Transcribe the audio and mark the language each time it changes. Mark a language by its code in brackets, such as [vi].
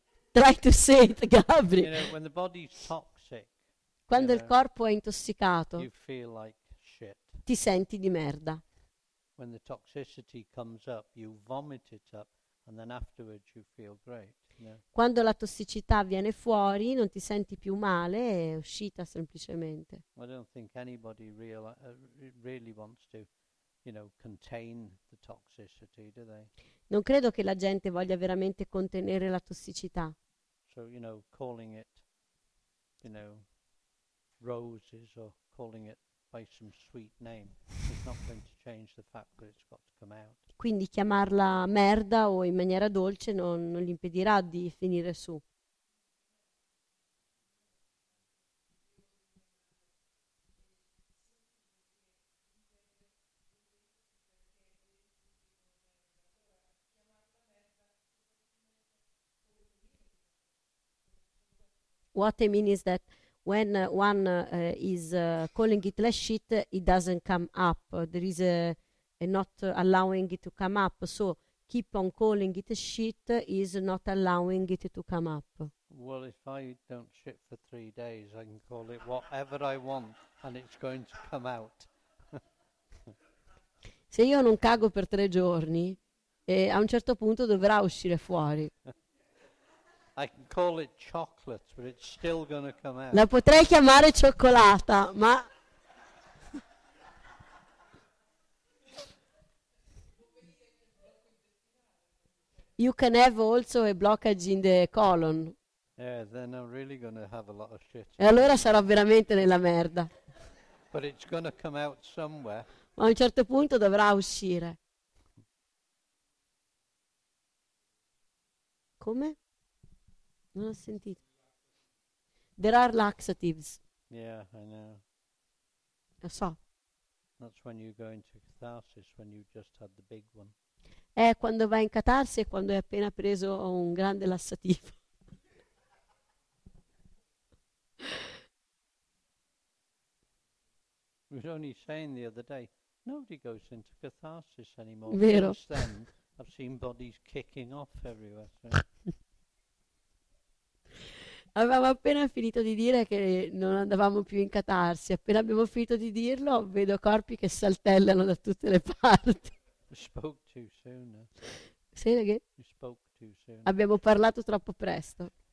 [en] Try to say it, Gabri. You know, when the body's toxic, [it] quando il corpo è intossicato, [en] you feel like shit. [it] Ti senti di merda. [en] When the toxicity comes up, you vomit it up, and then afterwards you feel great. You know? [it] Quando la tossicità viene fuori, non ti senti più male, è uscita semplicemente. [en] I don't think anybody really wants to, you know, contain the toxicity, do they? [it] Non credo che la gente voglia veramente contenere la tossicità. [en] So, you know, calling it, you know, roses or calling it by some sweet name is not going to change the fact that it's got to come out. [it] Quindi chiamarla merda o in maniera dolce non gli impedirà di finire su. [en] What I mean is that when one is calling it less shit, it doesn't come up. There is a not allowing it to come up. So keep on calling it a shit is not allowing it to come up. Well, if I don't shit for 3 days, I can call it whatever I want and it's going to come out. [it] Se io non cago per 3 giorni, a un certo punto dovrà uscire fuori. [en] I can call it chocolate, but it's still gonna come out. [it] La potrei chiamare cioccolata, ma [en] you can have also a blockage in the colon. Yeah, then I'm really gonna have a lot of shit. [it] E allora sarò veramente nella merda. [en] But it's gonna come out somewhere. [it] Ma a un certo punto dovrà uscire. Come? Non ho sentito. [en] There are laxatives. Yeah, I know. [it] Lo so. [en] That's when you go into catharsis, when you just had the big one. [it] È quando vai in catarsi e quando hai appena preso un grande lassativo. [en] I was only saying the other day, nobody goes into catharsis anymore. [it] Vero. [en] Since then, I've seen bodies kicking off everywhere. So. [it] Avevamo appena finito di dire che non andavamo più in catarsi. Appena abbiamo finito di dirlo, vedo corpi che saltellano da tutte le parti. [en] Spoke too soon. Say it again. Spoke too soon. [it] Abbiamo parlato troppo presto.